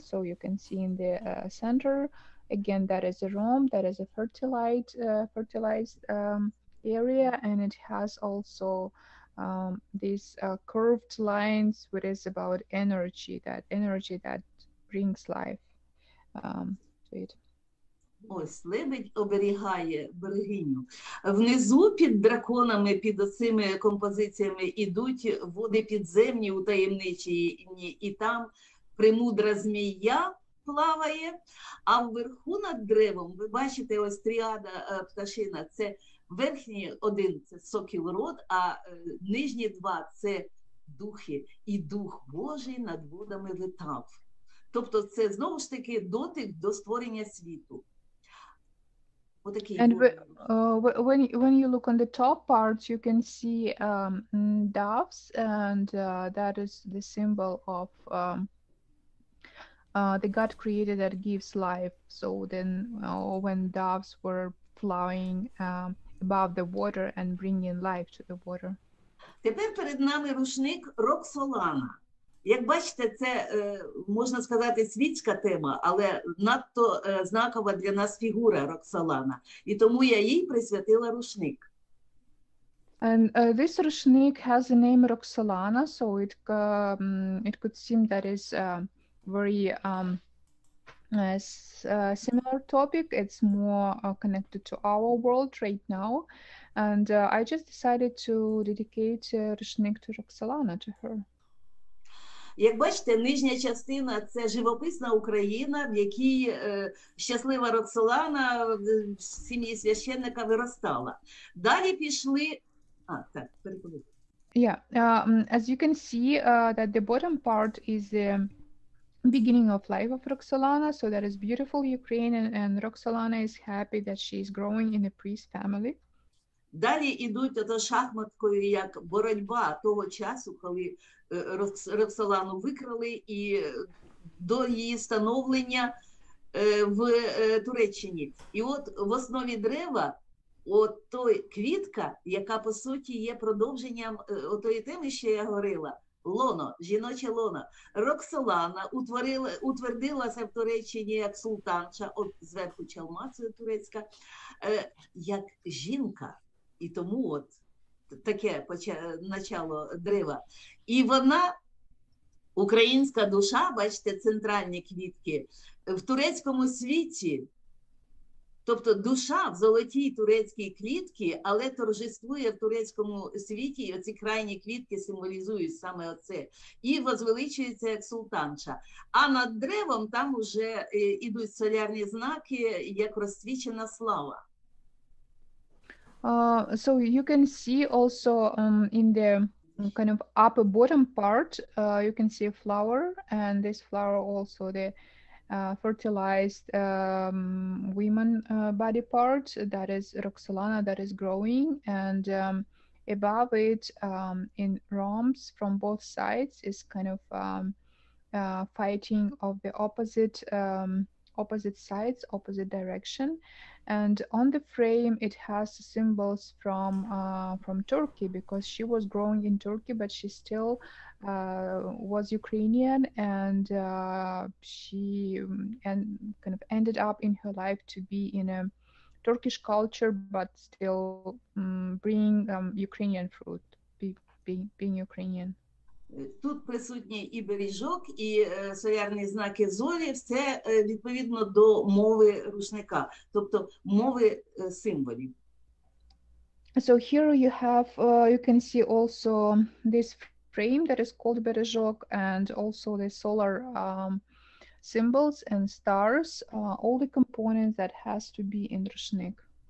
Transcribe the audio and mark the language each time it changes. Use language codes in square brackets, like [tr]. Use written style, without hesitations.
[en] So you can see in the center, again, that is a room, that is a fertilized area. And it has also these curved lines, which is about energy that brings life to it. [uk] Ось лебедь оберігає берегиню. Внизу під драконами, під оцими композиціями йдуть води підземні, утаємничені, і там премудра змія плаває. А вверху над деревом, ви бачите, ось тріада пташина. Це верхній один – це сокіл род, а нижні два – це духи. І дух Божий над водами летав. Тобто це, знову ж таки, дотик до створення світу. [en] And when you look on the top part, you can see doves, and that is the symbol of the God created that gives life. So then when doves were flying above the water and bringing life to the water. [uk] Тепер перед нами рушник Роксолана. Як бачите, це, можна сказати, світська тема, але надто знакова для нас фігура Роксолана. І тому я їй присвятила рушник. [en] And this рушник has the name Роксолана, so it it could seem that is very similar topic. It's more connected to our world right now. And I just decided to dedicate рушник to Роксолана, to her. [uk] Як бачите, нижня частина – це живописна Україна, в якій щаслива Роксолана в сім'ї священника виростала. Далі пішли… [en] Yeah, as you can see, that the bottom part is the beginning of life of Roxolana, so that is beautiful Ukrainian, and Roxolana is happy that she is growing in a priest family. [uk] Далі йдуть за шахматкою як боротьба того часу, коли Роксолану викрали і до її становлення в Туреччині. І от в основі дерева от той квітка, яка по суті є продовженням тої теми, що я говорила, лоно, жіноче лоно. Роксолана утвердилася в Туреччині як султанша, от зверху чалма це турецька, як жінка. І тому от таке начало дерева. І вона, українська душа, бачите, центральні квітки, в турецькому світі, тобто душа в золотій турецькій квітці, але торжествує в турецькому світі, і оці крайні квітки символізують саме оце. І возвеличується як султанша. А над деревом там вже йдуть солярні знаки, як розсвічена слава. [en] So you can see also in the kind of upper bottom part, you can see a flower, and this flower also the fertilized woman body part, that is Roxolana, that is growing, and above it in rhombs from both sides is kind of fighting of the opposite opposite sides, opposite direction. And on the frame, it has symbols from Turkey, because she was growing in Turkey, but she still was Ukrainian, and she kind of ended up in her life to be in a Turkish culture, but still bring Ukrainian fruit, being Ukrainian. [uk] Тут присутні і бережок, і солярні знаки зорі, все відповідно до мови рушника, тобто мови символів. [en] So here you have, you can see also this frame that is called бережок, and also the solar symbols and stars, all the components that has to be in рушник.